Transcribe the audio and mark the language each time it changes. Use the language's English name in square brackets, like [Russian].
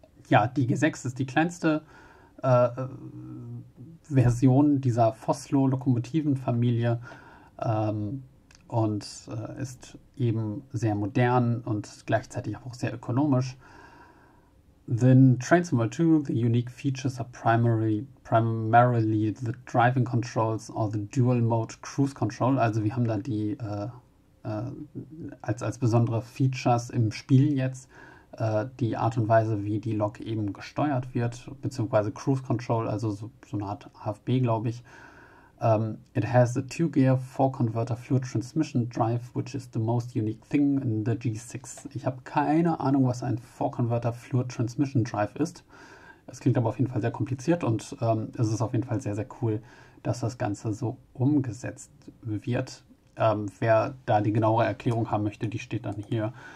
[German] Ja, die G6 ist die kleinste Version dieser Foslo-Lokomotivenfamilie. Und ist eben sehr modern und gleichzeitig auch sehr ökonomisch. [English] Then Transformer 2, the unique features are primarily the driving controls or the dual mode cruise control. [German] Also wir haben da die als besondere Features im Spiel jetzt die Art und Weise, wie die Lok eben gesteuert wird, beziehungsweise Cruise Control, also so eine Art AFB, glaube ich. [English] It has a two-gear, four-converter fluid transmission drive, which is the most unique thing in the G6. [German] Ich habe keine Ahnung, was ein [English] four-converter fluid transmission drive [German] ist. Es klingt aber auf jeden Fall sehr kompliziert und es ist auf jeden Fall sehr, sehr cool, dass das Ganze so umgesetzt wird. Wer da die genauere Erklärung haben möchte, die steht dann hier.